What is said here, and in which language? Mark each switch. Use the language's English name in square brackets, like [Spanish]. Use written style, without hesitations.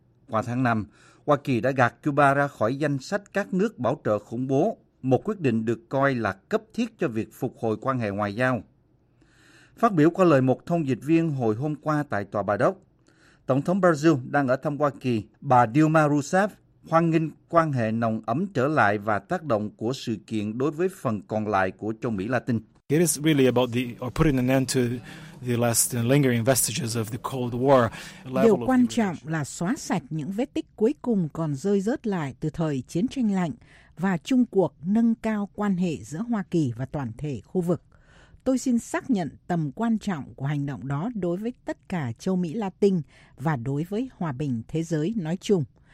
[Vietnamese] Qua tháng 5, Hoa Kỳ đã gạt Cuba ra khỏi danh sách các nước bảo trợ khủng bố, một quyết định được coi là cấp thiết cho việc phục hồi quan hệ ngoại giao. Phát biểu qua lời một thông dịch viên hồi hôm qua tại Tòa Bạch Ốc, Tổng thống Brazil đang ở thăm Hoa Kỳ, bà Dilma Rousseff hoan nghênh quan hệ nồng ấm trở lại và tác động của sự kiện đối với phần còn lại của châu Mỹ Latin. [English] It is really about the or putting an end to the last lingering vestiges of the Cold War. [Vietnamese] Điều quan trọng là xóa sạch những vết tích cuối cùng còn rơi rớt lại từ thời chiến tranh lạnh và chung cuộc nâng cao quan hệ giữa Hoa Kỳ và toàn thể khu vực. Tôi xin xác nhận tầm quan trọng của hành động đó đối với tất cả châu Mỹ Latin và đối với hòa bình thế giới nói chung.